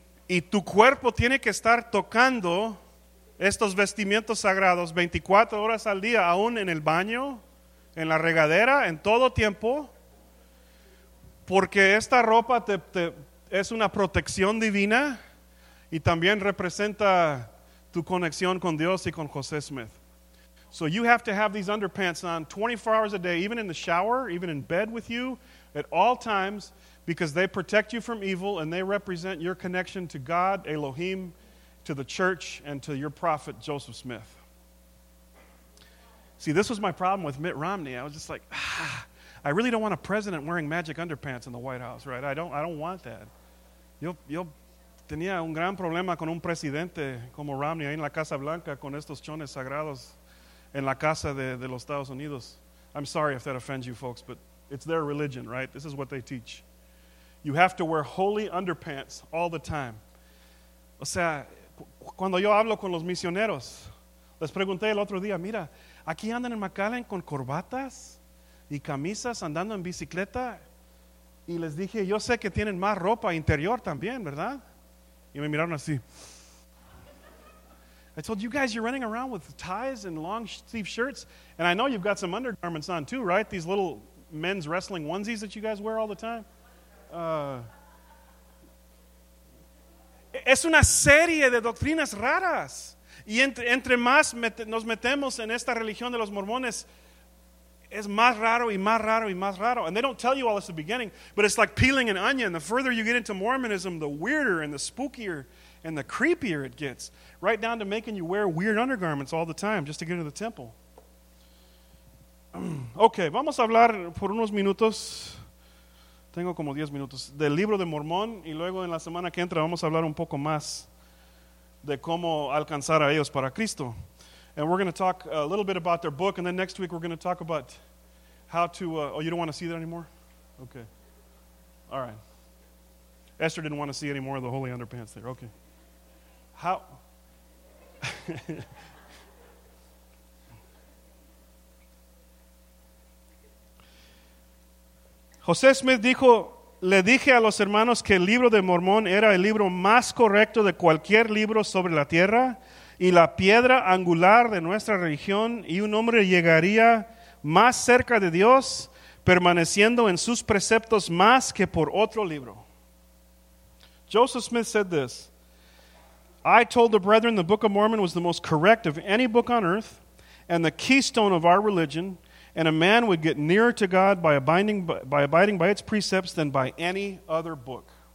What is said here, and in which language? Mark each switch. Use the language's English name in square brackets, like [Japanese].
[Spanish] Y tu cuerpo tiene que estar tocando estos vestimientos sagrados 24 horas al día, aún en el baño, en la regadera, en todo tiempo, porque esta ropa te es una protección divina y también representa tu conexión con Dios y con José Smith. [English] So you have to have these underpants on 24 hours a day, even in the shower, even in bed with you, at all times, because they protect you from evil and they represent your connection to God, Elohim, to the church, and to your prophet, Joseph Smith. See, this was my problem with Mitt Romney. I was just like, I really don't want a president wearing magic underpants in the White House, right? I don't want that. [Spanish] Yo tenía un gran problema con un presidente como Romney ahí en la Casa Blanca con estos chones sagrados en la Casa de los Estados Unidos. [English] I'm sorry if that offends you folks, but it's their religion, right? This is what they teach. You have to wear holy underpants all the time. [Spanish] O sea, cuando yo hablo con los misioneros, les pregunté el otro día, mira, aquí andan en McAllen con corbatas y camisas andando en bicicleta. Y les dije, yo sé que tienen más ropa interior también, ¿verdad? Y me miraron así. [English] I told you guys, you're running around with ties and long sleeve shirts. And I know you've got some undergarments on too, right? These little men's wrestling onesies that you guys wear all the time. [Spanish] Es una serie de doctrinas raras. Y entre más nos metemos en esta religión de los mormones, Es más raro y más raro y más raro. [English] And they don't tell you all this at the beginning, but it's like peeling an onion. The further you get into Mormonism, the weirder and the spookier and the creepier it gets. Right down to making you wear weird undergarments all the time just to get into the temple. [Spanish] Okay, vamos a hablar por unos minutos. Tengo como 10 minutos. Del libro de Mormón. Y luego en la semana que entra vamos a hablar un poco más de cómo alcanzar a ellos para Cristo. [English] And we're going to talk a little bit about their book. And then next week we're going to talk about how to... you don't want to see that anymore? Okay. All right. Esther didn't want to see any more of the holy underpants there. Okay. How... [Spanish] José Smith dijo, le dije a los hermanos que el libro de Mormón era el libro más correcto de cualquier libro sobre la tierra y la piedra angular de nuestra religión, y un hombre llegaría más cerca de Dios permaneciendo en sus preceptos más que por otro libro. [English] Joseph Smith said this, I told the brethren the Book of Mormon was the most correct of any book on earth and the keystone of our religion, and a man would get nearer to God by abiding by its precepts than by any other book.